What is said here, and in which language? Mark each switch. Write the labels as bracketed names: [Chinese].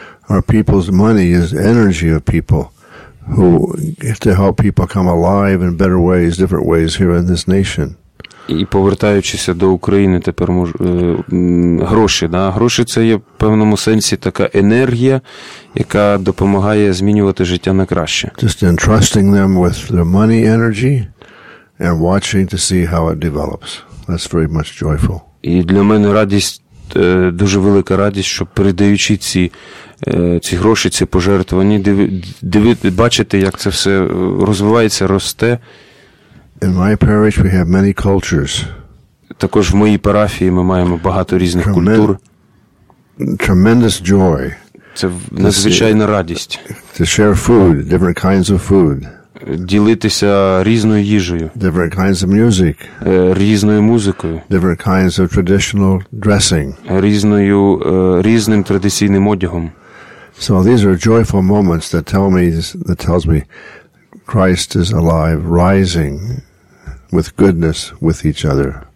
[English] Our people's money is energy of people who get to help people come alive in better ways, different ways here in this nation. [Ukrainian] І повертаючися до України, тепер гроші, да? Гроші – це є в певному сенсі така енергія, яка допомагає змінювати життя на краще. [English] Just entrusting them with their money energy. and watching to see how it develops. That's very much joyful. [Ukrainian] І для мене радість, дуже велика радість, що передаючи ці гроші, ці пожертвування, бачити, як це все розвивається, росте. [English] In my parish we have many cultures. [Ukrainian] Також в моїй парафії ми маємо багато різних культур. [English] Tremendous joy. [Ukrainian] Це надзвичайна радість. [English] To share food, different kinds of food. [Ukrainian] Ділитися різною їжею. [English] Different kinds of music. [Ukrainian] Різною музикою. [English] Different kinds of traditional dressing. [Ukrainian] Різним традиційним одягом. [English] So these are joyful moments that tells me Christ is alive, rising with goodness with each other.